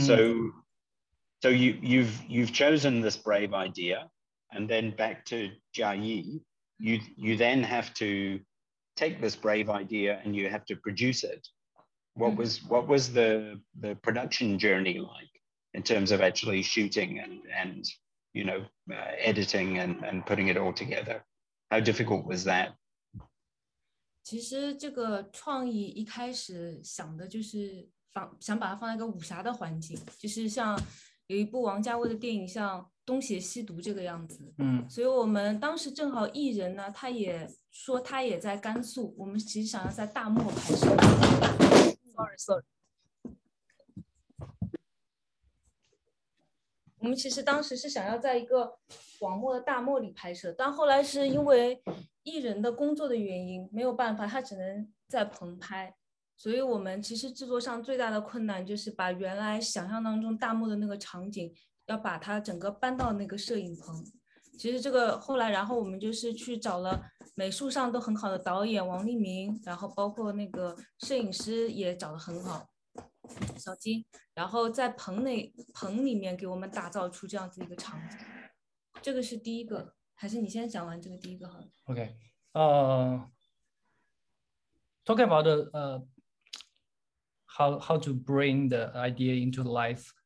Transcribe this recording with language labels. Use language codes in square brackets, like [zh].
[en] So you've chosen this brave idea, and then back to Jiayi, you then have to take this brave idea and you have to produce it. What was the production journey like in terms of actually shooting and you know, editing and putting it all together? How difficult was that? [zh] 其实这个创意一开始想的就是想把它放在一个武侠的环境，就是像有一部王家卫的电影像《东邪西毒》这个样子。嗯，所以我们当时正好艺人呢，他也说他也在甘肃，我们其实想要在大漠拍摄。 [en] Sorry。 [zh] 我们其实当时是想要在一个广袤的大漠里拍摄，但后来是因为艺人的工作的原因，没有办法，他只能在棚拍。所以我们其实制作上最大的困难就是把原来想象当中大漠的那个场景，要把它整个搬到那个摄影棚。其实这个后来，然后我们就是去找了美术上都很好的导演王立明，然后包括那个摄影师也找得很好。小金，然后在棚里面给我们打造出这样子一个场景，这个是第一个，还是你先讲完这个第一个好了 [en] ？OK， talking about the how to bring the idea into life.